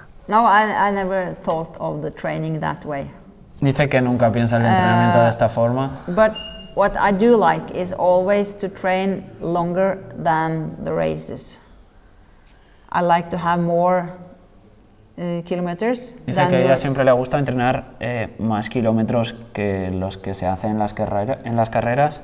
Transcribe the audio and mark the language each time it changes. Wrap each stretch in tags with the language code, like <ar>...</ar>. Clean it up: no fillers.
<en>I never thought of the training that way.</en> <es>Dice que nunca piensa el entrenamiento de esta forma.</es> <en>But What I do like is always to train longer than the races. I like to have more kilometers.</en> <es>Dice than que a ella siempre le gusta entrenar más kilómetros que los que se hacen en las carreras.</es>